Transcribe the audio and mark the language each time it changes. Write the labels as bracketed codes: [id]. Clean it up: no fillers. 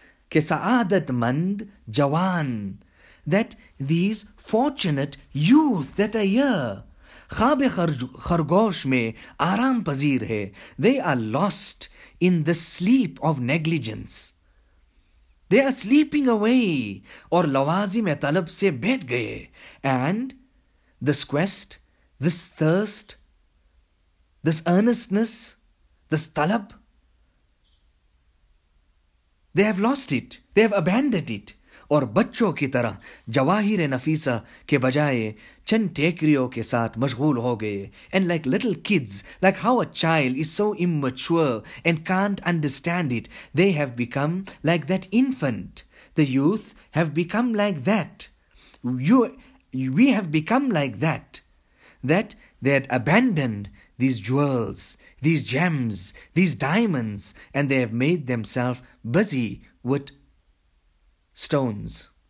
[ur] کہ سعادت مند جوان. [en] That these fortunate youth that are here, [ur] خواب خرگوش میں آرام پذیر ہے, [en] they are lost in the sleep of negligence. They are sleeping away [ur] اور لوازم طلب سے بیٹھ گئے. [en] And this quest, this thirst, this earnestness, this طلب, they have lost it, they have abandoned it. [ur] اور بچوں کی طرح جواہر نفیسہ کے بجائے چند ٹیکریوں کے ساتھ مشغول ہو گئے. [en] And like little kids, like how a child is so immature and can't understand it, they have become like that infant. The youth have become like that. We have become like that. That they had abandoned these jewels, these gems, these diamonds, and they have made themselves busy with stones.